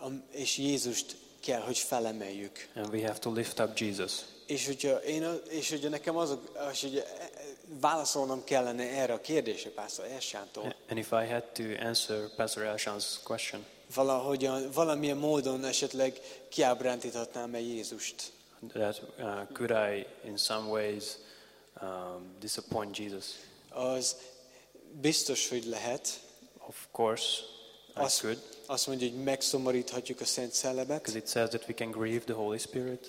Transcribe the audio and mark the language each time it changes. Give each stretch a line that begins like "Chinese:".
Hungarian: És Jézust kell, hogy felemeljük.
English: And we have to lift up Jesus.
Hungarian: És hogyha nekem hogy válaszolnom kellene erre a kérdésre Pásztor Elsántól.
English: And if I had to answer Pastor Elsán's question.
Hungarian: Valamilyen módon esetleg kiábrándíthatnám-e Jézust.
English: That could I in some ways disappoint Jesus.
Hungarian: Az biztos, hogy lehet.
English: Of course, that's good.
Hungarian: Azt mondja, hogy megszomoríthatjuk a Szent Szellemet.
English: Because it says that we can grieve the Holy Spirit.